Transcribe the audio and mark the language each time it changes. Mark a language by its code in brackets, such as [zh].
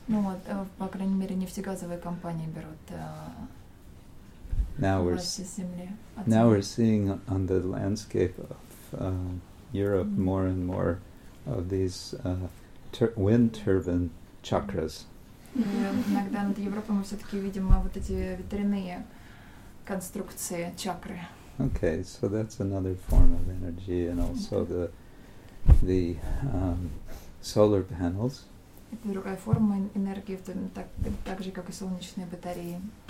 [ru] Ну вот, по крайней мере, нефтегазовые компании берут [en] Now we're seeing on the landscape of Europe more and more of these wind turbine chakras. [ru] Иногда над Европой мы все-таки видим вот эти ветряные конструкции чакры. [en] Okay, so that's another form of energy, and also the the solar panels. [ru] Другая форма энергии, так же как и солнечные батареи.